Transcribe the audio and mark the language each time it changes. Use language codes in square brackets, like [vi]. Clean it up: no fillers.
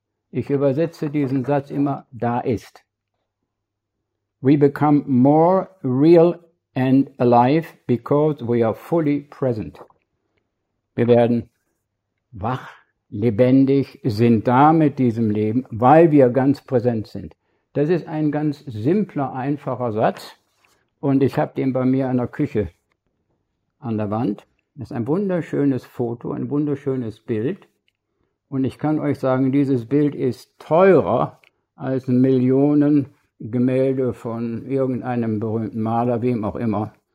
[de] Ich übersetze diesen Satz immer, da ist. [en] We become more real and alive because we are fully present. [de] Wir werden wach, lebendig, sind da mit diesem Leben, weil wir ganz präsent sind. Das ist ein ganz simpler, einfacher Satz. Und ich habe den bei mir in der Küche an der Wand. Das ist ein wunderschönes Foto, ein wunderschönes Bild. Und ich kann euch sagen, dieses Bild ist teurer als Millionen Gemälde von irgendeinem berühmten Maler, wem auch immer.